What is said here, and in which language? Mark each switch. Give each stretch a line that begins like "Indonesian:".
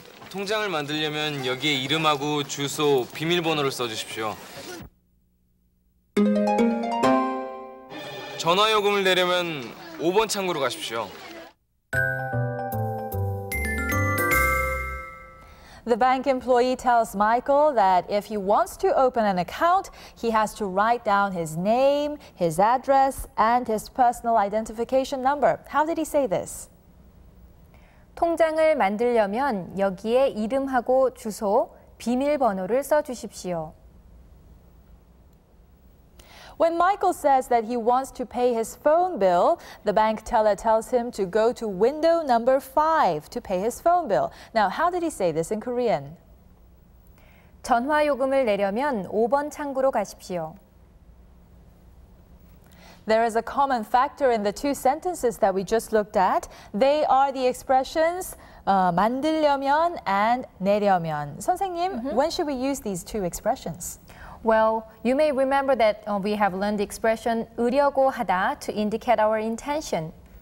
Korean: 통장을 만들려면 여기에 이름하고 주소, 비밀번호를 써주십시오. 전화요금을 내려면 5번 창구로 가십시오.
English: The bank employee tells Michael that if he wants to open an account, he has to write down his name, his address, and his personal identification number. How did he say this?
Korean: 통장을 만들려면 여기에 이름하고 주소, 비밀번호를 써주십시오.
English: When Michael says that he wants to pay his phone bill, the bank teller tells him to go to window number 5 to pay his phone bill. Now, how did he say this in Korean?
Korean: 전화 요금을 내려면 5번 창구로 가십시오.
English: There is a common factor in the two sentences that we just looked at. They are the expressions 만들려면 and 내려면. 선생님, when should we use these two expressions? Well, you may remember that we have learned the expression 으려고 하다 to indicate our intention.